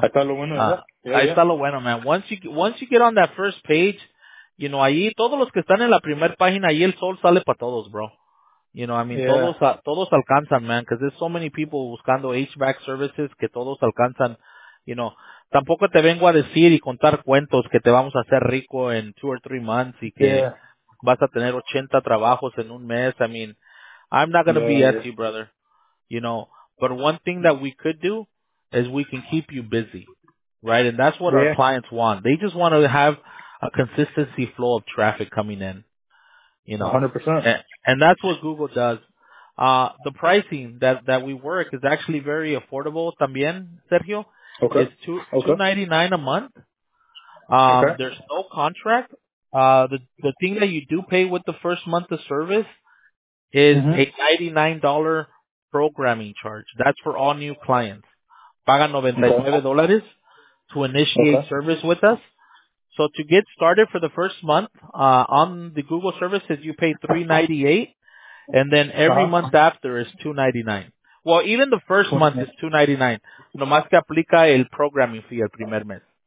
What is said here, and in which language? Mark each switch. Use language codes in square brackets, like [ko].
[es] Ahí está lo bueno, ahí está lo bueno, man. [en] Once you get on that first page, you know, [es] ahí todos los que están en la primer página, ahí el sol sale para todos, bro. [en] You know, I mean, [es] todos alcanzan, [en] man, because there's so many people [es] buscando [en] HVAC services [es] que todos alcanzan, [en] you know. [es] Tampoco te vengo a decir y contar cuentos que te vamos a hacer rico en [en] 2 or 3 months [es] y que vas a tener 80 trabajos en un mes. [en] I mean, I'm not going to be at you, brother. You know, but one thing that we could do is we can keep you busy, right? And that's what our clients want. They just want to have a consistency flow of traffic coming in, you know. 100%. And that's what Google does. The pricing that we work is actually very affordable [es] también, [en] Sergio. Okay. It's $299 a month. There's no contract. The thing that you do pay with the first month of service is a $99 programming charge. That's for all new clients. [es] Paga [en] $99 to initiate service with us. So to get started for the first month on the Google services, you pay $398, and then every month after is $299. Well, even the first month is $299. [es] Nomás que aplica el programming fee el primer mes.